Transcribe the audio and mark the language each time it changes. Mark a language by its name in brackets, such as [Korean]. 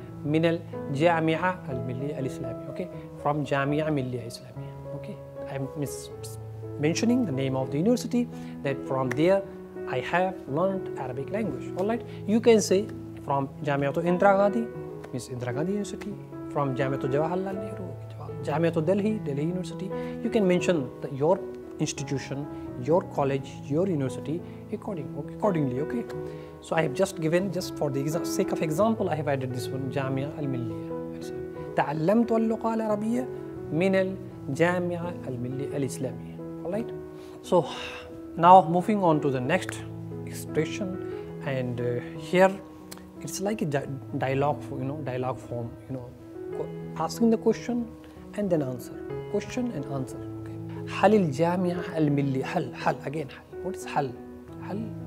[Arabic] من الجامعة الملية الإسلامية. [English] Okay. From [Arabic] جامعة ملية إسلامية. [English] Okay. I'm mentioning the name of the university, that from there I have learned Arabic language. All right. You can say from [Arabic] جامعة إندرا غاندي. [English] Means Indira Gandhi University, from Jamiatul Jawaharlal Nehru, Jamiatul Delhi, Delhi University. You can mention your institution, your college, your university accordingly. Okay. So I have just given, just for the sake of example, I have added this one, Jamia Al Milliya. [Arabic] تعلمت اللغة العربية من الجامعة الملية الإسلامية. [English] All right. So now moving on to the next expression, and here. It's like a dialogue, you know, dialogue form, you know, asking the question and then answer. Question and answer. Okay. [Arabic] حل الجامعة الملية. [English] حل. Again, حل. What is حل? حل.